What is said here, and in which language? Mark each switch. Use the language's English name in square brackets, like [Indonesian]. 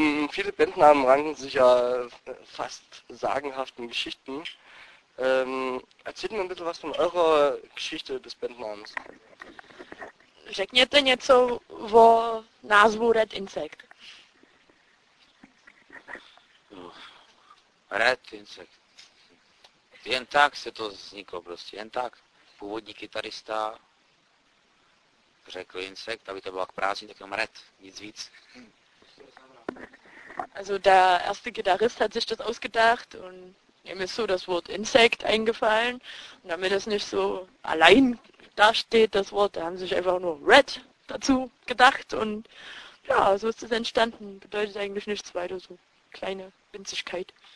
[German] viele Bandnamen ranken sich ja fast sagenhaften Geschichten. Erzählt mir ein bisschen was von eurer Geschichte des Bandnamens. [Czech] Řekněte něco o názvu Red Insect. Red Insect. Jen tak se to vzniklo prostě, jen tak. Původní kytarista řekl Insect, aby to bylo k prázdní, tak jenom Red, nic víc. [German] Also der erste Gitarrist hat sich das ausgedacht und ihm ist so das Wort Insect eingefallen. Und damit es nicht so allein dasteht, das Wort, da haben sie sich einfach nur Red dazu gedacht. Und ja, so ist es entstanden. Bedeutet eigentlich nichts weiter, so kleine Winzigkeit.